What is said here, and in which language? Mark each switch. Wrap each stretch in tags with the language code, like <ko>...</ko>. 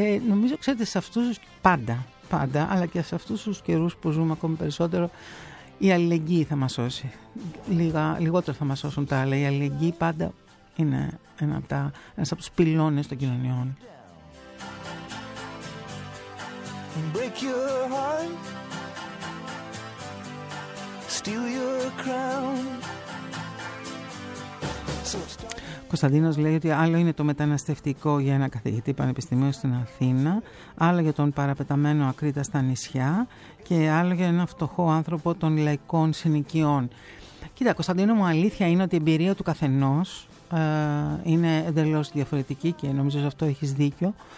<el>Νομίζω, ξέρετε, σε αυτούς πάντα, αλλά και σε αυτούς τους καιρούς που ζούμε ακόμη περισσότερο, η αλληλεγγύη θα μας σώσει. Λιγότερο θα μας σώσουν τα άλλα. Η αλληλεγγύη πάντα είναι ένας από τους πυλώνες των κοινωνιών.</el> <en>Break your heart, steal your crown.</en> <el>Κωνσταντίνος λέει ότι άλλο είναι το μεταναστευτικό για ένα καθηγητή πανεπιστημίου στην Αθήνα, άλλο για τον παραπεταμένο ακρίτα στα νησιά και άλλο για ένα φτωχό άνθρωπο των λαϊκών συνοικιών. Κοίτα, Κωνσταντίνο μου, αλήθεια είναι ότι η εμπειρία του καθενός είναι εντελώς διαφορετική και νομίζω σε αυτό έχεις δίκιο.</el>